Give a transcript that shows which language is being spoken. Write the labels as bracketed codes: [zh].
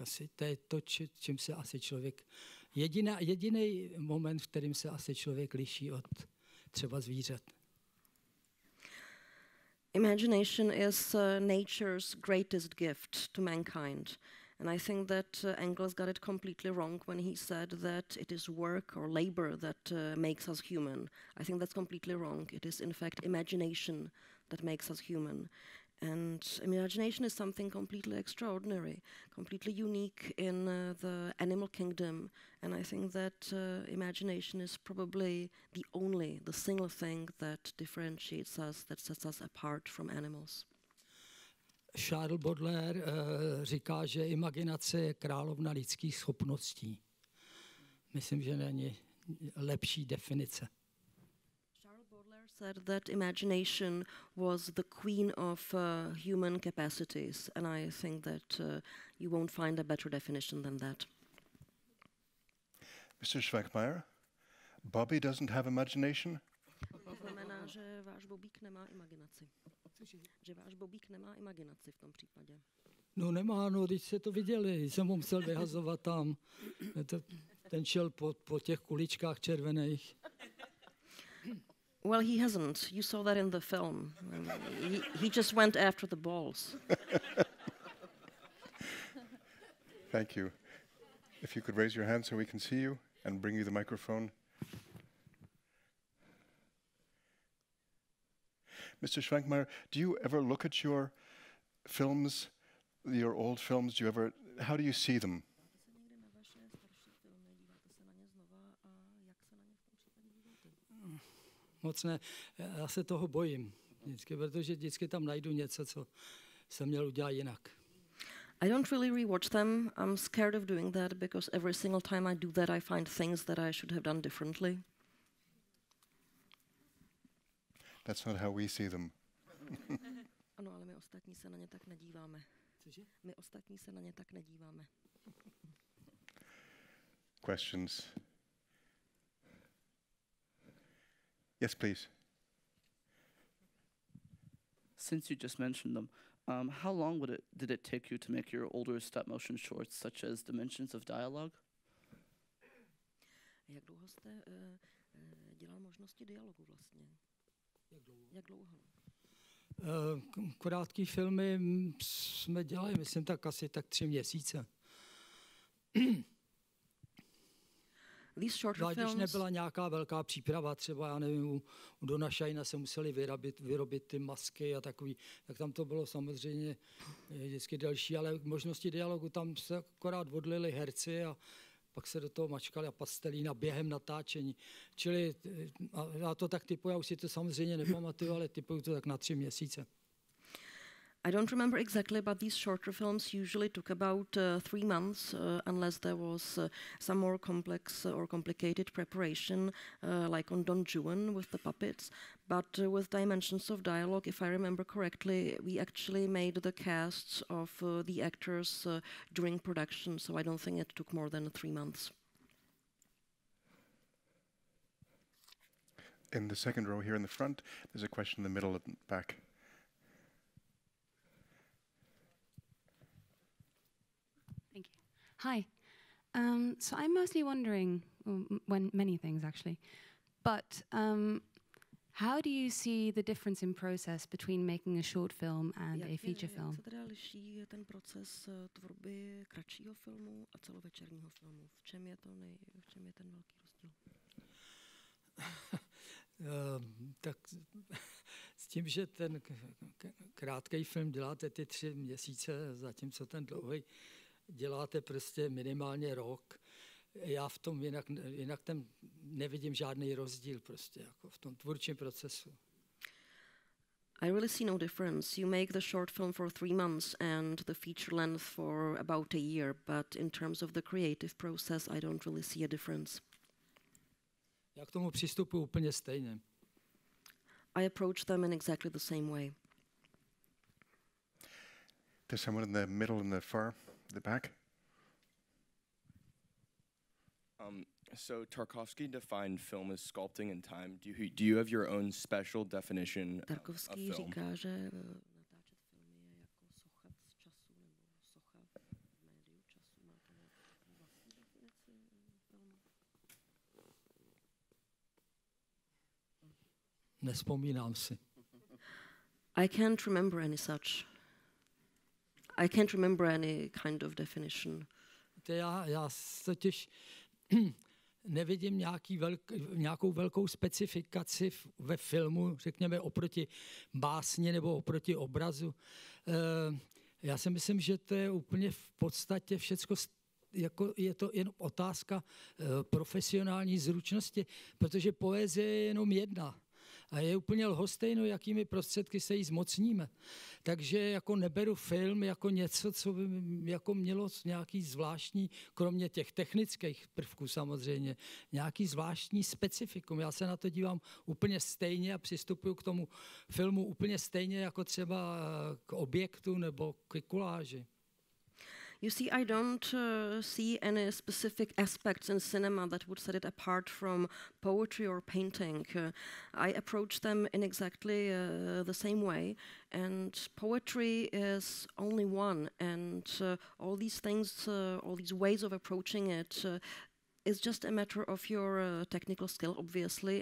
[cs] Asi to je to, čím se asi člověk... Jediný moment, v kterým se asi člověk liší od třeba zvířat. [en] Imagination is nature's greatest gift to mankind. And I think that Engels got it completely wrong when he said that it is work or labor that makes us human. I think that's completely wrong. It is in fact imagination that makes us human. And imagination is something completely extraordinary, completely unique in the animal kingdom. And I think that imagination is probably the single thing that differentiates us, that sets us apart from animals. [cs] Charles Baudelaire říká, že imaginace je královna lidských schopností. Myslím, že není lepší definice. [en] Said that imagination was the queen of human capacities, and I think that you won't find a better definition than that. Mr. Švankmajer, Bobby doesn't have imagination? [cs] To znamená, že váš Bobík nemá imaginaci. Že váš Bobík nemá imaginaci v tom případě. No nemá, no, když se to viděli, jsem ho musel vyhazovat tam. Ten šel po těch kuličkách červených. [en] Well, he hasn't. You saw that in the film. He just went after the balls. Thank you. If you could raise your hand so we can see you and bring you the microphone. Mr. Švankmajer, do you ever look at your films, your old films? How do you see them? [cs] Moc ne. Já se toho bojím, vždycky tam najdu něco, co jsem měl udělat jinak. [en] I don't really rewatch them. I'm scared of doing that because every single time I do that, I find things that I should have done differently. That's not how we see them. [cs] Ano, ale my ostatní se na ně tak nedíváme. Cože? My ostatní se na ně tak nedíváme. [en] Questions. Yes, please. Since you just mentioned them, how long did it take you to make your older stop motion shorts, such as Dimensions of Dialogue? [cs] Jak dlouho jste dělal možnosti dialogu vlastně? Jak dlouho? Krátký filmy jsme dělali, myslím, tak asi tak 3 měsíce. [en] These shorter films. [cs] Když nebyla nějaká velká příprava, třeba já nevím, u Dona Shina se museli vyrobit ty masky a takový, tak tam to bylo samozřejmě vždycky delší, ale možnosti dialogu tam se akorát odlili herci a pak se do toho mačkali a pastelína během natáčení. Čili já to tak typuji, já už si to samozřejmě nepamatuju, ale typuju to tak na 3 měsíce. [en] I don't remember exactly, but these shorter films usually took about 3 months, unless there was some more complex or complicated preparation, like on Don Juan with the puppets. But with Dimensions of Dialogue, if I remember correctly, we actually made the casts of the actors during production, so I don't think it took more than 3 months. In the second row here in the front, there's a question in the middle at the back. Hi. So I'm mostly wondering, when many things actually, but how do you see the difference in process between making a short film and [cs] jak [en] a feature film? [cs] Jak se teda liší ten proces tvorby kratšího filmu a celovečerního filmu? V čem je to v čem je ten velký rozdíl? Tak s tím, že ten krátký film děláte ty 3 měsíce, zatímco ten dlouhý děláte prostě minimálně rok. Já v tom jinak tam nevidím žádný rozdíl prostě jako v tom tvůrčím procesu. [en] I really see no difference. You make the short film for 3 months and the feature length for about a year, but in terms of the creative process, I don't really see a difference. [cs] Já k tomu přistupuji úplně stejně. [en] I approach them in exactly the same way. There's someone in the middle in the far. The back. So Tarkovsky defined film as sculpting in time. Do you have your own special definition of film? [cs] Tarkovsky říká, že natáčet film je jako socha z času nebo socha v médiu času. Má to nějakou vlastní definici filmu? Nespomínám si. [en] I can't remember any such. I can't remember any kind of definition. [cs] Já totiž nevidím nějakou velkou specifikaci ve filmu, řekněme, oproti básni nebo oproti obrazu. Já si myslím, že to je úplně v podstatě všecko, jako je to jen otázka profesionální zručnosti, protože poezie je jenom jedna. A je úplně lhostejno, jakými prostředky se jí zmocníme. Takže jako neberu film jako něco, co by jako mělo nějaký zvláštní, kromě těch technických prvků samozřejmě, nějaký zvláštní specifikum. Já se na to dívám úplně stejně a přistupuji k tomu filmu úplně stejně jako třeba k objektu nebo k koláži. [en] You see, I don't see any specific aspects in cinema that would set it apart from poetry or painting. I approach them in exactly the same way. And poetry is only one. And all these things, all these ways of approaching it, is just a matter of your technical skill, obviously.